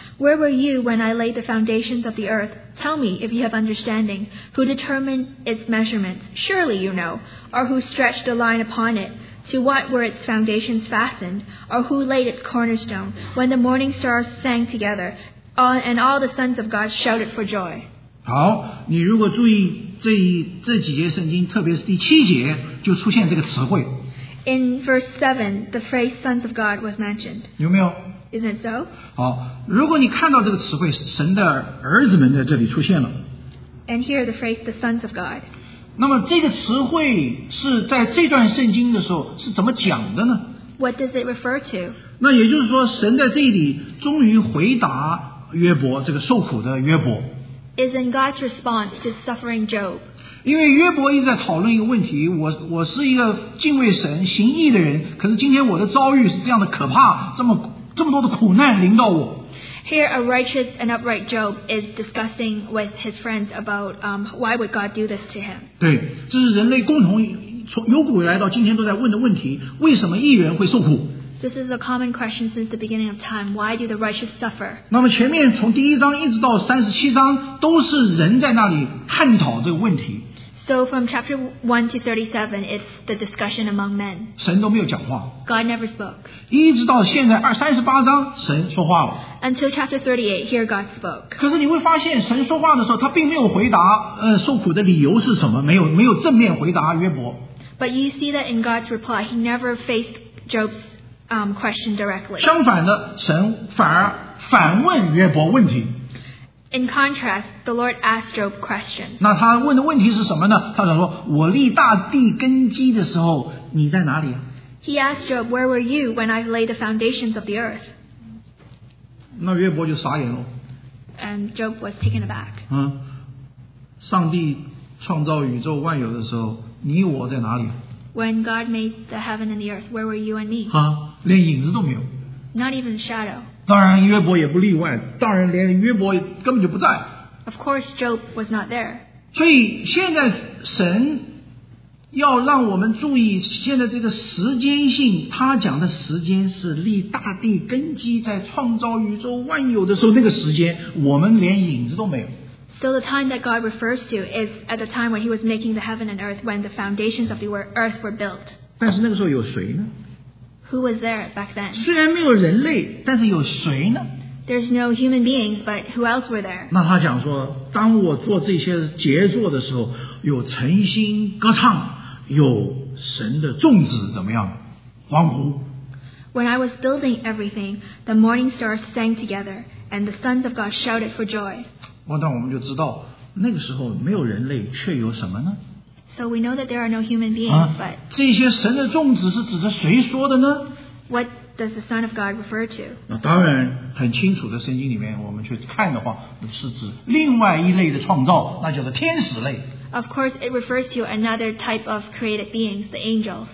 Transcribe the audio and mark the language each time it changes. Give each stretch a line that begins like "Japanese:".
English: Where were you when I laid the foundations of the earth? Tell me, if you have understanding, who determined its measurements? Surely you know. Or who stretched a line upon it? To what were its foundations fastened? Or who laid its cornerstone? When the morning stars sang together, and all the sons of God shouted for joy.
Chinese: 好，你如果注意这几节圣经，特别是第七节，就出现这个词汇。
English: In verse 7, the phrase sons of God was mentioned.
Chinese: 有没有？
English: Isn't it so?
Chinese: 好，如果你看到这个词汇，神的儿子们在这里出现了。
English: And here the phrase the sons of God.
Chinese: 那么这个词汇是在这段圣经的时候是怎么讲的呢？
English: What does it refer to?
Chinese: 那也就是说，神在这里终于回答约伯，这个受苦的约伯。
English: Is in God's response to suffering Job.
Chinese: 因为约伯一直在讨论一个问题，我是一个敬畏神、行义的人，可是今天我的遭遇是这样的可怕，这么多的苦难临到我。
English: Here, a righteous and upright Job is discussing with his friends about why would God do this to him.
Chinese: 对，这是人类共同从有古以来到今天都在问的问题，为什么义人会受苦？
English: This is a common question since the beginning of time. Why do the righteous suffer?
Chinese: 那么前面从第一章一直到37章都是人在那里探讨这个问题。
English: So from chapter 1 to 37, it's the discussion among men.
Chinese: 神都没有讲话。
English: God never spoke.
Chinese: 一直到现在38章，神说话了。
English: Until chapter 38, here God spoke.
Chinese: 可是你会发现神说话的时候，他并没有回答受苦的理由是什么，没有正面回答约伯。
English: But you see that in God's reply, he never faced Job's question directly.
Chinese: 相反的，神反而反问约伯问题。
English: In contrast, the Lord asked Job questions.
Chinese: 那他问的问题是什么呢？他想说，我立大地根基的时候，你在哪里啊？
English: He asked Job, where were you when I laid the foundations of the earth?
Chinese: 那约伯就傻眼了。
English: And Job was taken aback.
Chinese: 上帝创造宇宙万有的时候，你我在哪里？
English: When God made the heaven and the earth, where were you and me?
Chinese: 连影子都没有。
English: Not even a shadow.
Chinese: 当然约伯也不例外，当然连约伯根本就不在。
English: Of course, Job was not there.
Chinese: 所以现在神要让我们注意，现在这个时间性，他讲的时间是立大地根基在创造宇宙万有的时候，那个时间我们连影子都没有。
English: So the time that God refers to is at the time when he was making the heaven and earth, when the foundations of the earth were built.
Chinese: 但是那个时候有谁呢？
English: Who was there back then?
Chinese: 虽然没有人类，但是有谁呢？
English: There's no human beings, but who else were there?
Chinese: 那他讲说，当我做这些杰作的时候，有晨星歌唱，有神的众子怎么样？欢呼。
English: When I was building everything, the morning stars sang together, and the sons of God shouted for joy.
Chinese: 那我们就知道，那个时候没有人类，却有什么呢？
English: So we know that there are no human beings, but
Chinese: 这些神的众子是指着谁说的呢？
English: What does the Son of God refer to?
Chinese: 那当然很清楚的，圣经里面我们去看的话，是指另外一类的创造，那叫做天使类。
English: Of course, it refers to another type of created beings, the angels.